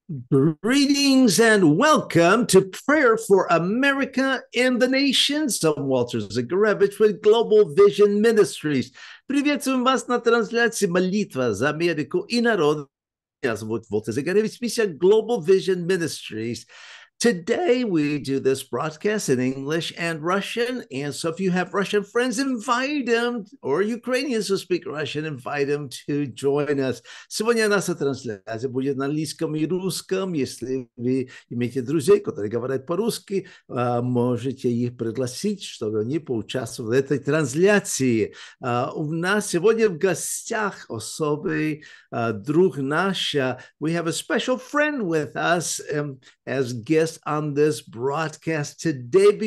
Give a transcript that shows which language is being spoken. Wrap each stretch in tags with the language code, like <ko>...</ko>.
<en>Greetings and welcome to Prayer for America and the Nations. I'm Walter Zygarewicz with Global Vision Ministries.</en> <ru>Приветствуем вас на трансляции «Молитва за Америку и народ». Меня зовут Walter Zygarewicz, миссия Global Vision Ministries.</ru> <en>Today we do this broadcast in English and Russian, and so if you have Russian friends, invite them, or Ukrainians who speak Russian, invite them to join us.</en> <ru>Сегодня наша трансляция будет на английском и русском. Если вы имеете друзей, которые говорят по-русски, можете их пригласить, чтобы они поучаствовали в этой трансляции. У нас сегодня в гостях особый друг наш.</ru> <en>We have a special friend with us as guest on this broadcast today.</en>